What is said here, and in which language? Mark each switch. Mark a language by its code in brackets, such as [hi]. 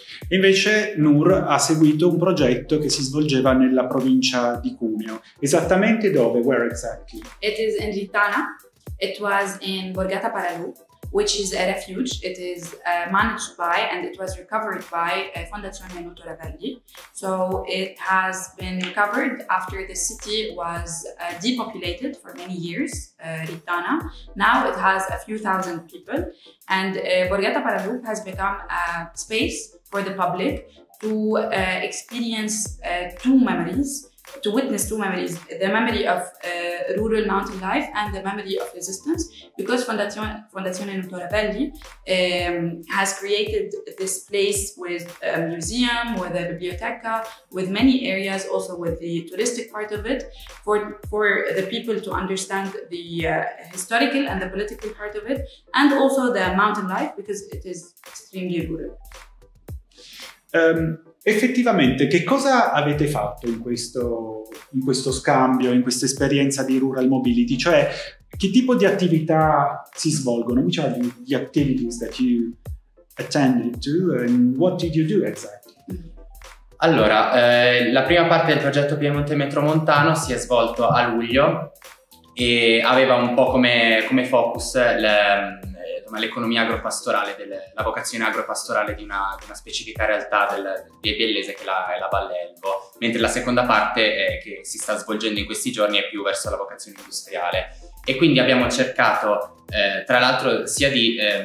[it] Invece Nur ha seguito un progetto che si svolgeva nella provincia di Cuneo. Esattamente dove? [en] Where exactly? It is in Litana. It was in Borgata Paralù, which is a refuge. It is managed by and it was recovered by Fondazione Nuto Ravelli. So it has been recovered after the city was depopulated for many years, Ritana. Now it has a few thousand people, and Borgata Paralù has become a space for the public to experience two memories. To witness two memories, the memory of rural mountain life and the memory of resistance, because Fondazione Nuto Ravelli has created this place with a museum, with a biblioteca, with many areas, also with the touristic part of it, for the people to understand the historical and the political part of it, and also the mountain life, because it is extremely rural. [it] Effettivamente, che cosa avete fatto in questo scambio, in questa esperienza di Rural Mobility? Cioè, che tipo di attività si svolgono? [en] Which are the activities that you attended to and what did you do exactly? [it] Allora, la prima parte del progetto Piemonte Metromontano si è svolto a luglio e aveva un po' come focus l'economia agropastorale, la vocazione agropastorale di una specifica realtà del biellese che è la Valle Elbo, mentre la seconda parte che si sta svolgendo in questi giorni è più verso la vocazione industriale. E quindi abbiamo cercato, tra l'altro, sia di